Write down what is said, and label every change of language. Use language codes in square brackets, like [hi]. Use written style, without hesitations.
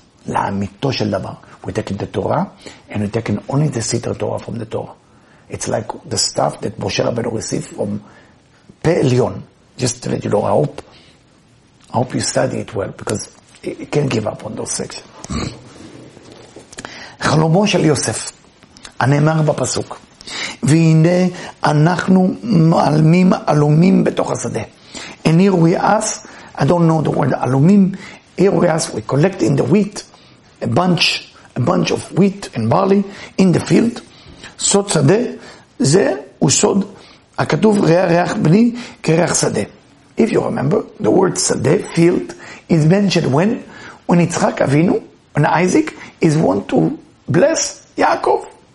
[he] La'amito shel davar. [en] We're taking the Torah, and we're taking only the Sitre Torah from the Torah. It's like the stuff that Moshe Rabbeinu received from Pe'elyon. Just to let you know, I hope you study it well, because he can't give up on those sections. [he] חלומו של יוסף, הנאמר בפסוק, והנה אנחנו מעלמים אלומים בתוך השדה. [en] And here we ask, I don't know the word אלומים, here we ask, we collect in the wheat, a bunch of wheat and barley in the field, [he] סוד שדה, זה הוא סוד, הכתוב ריח ריח בני כריח שדה. [en] If you remember, the word שדה, field, is mentioned when Yitzchak Avinu, when Isaac, is want to bless Yaakov.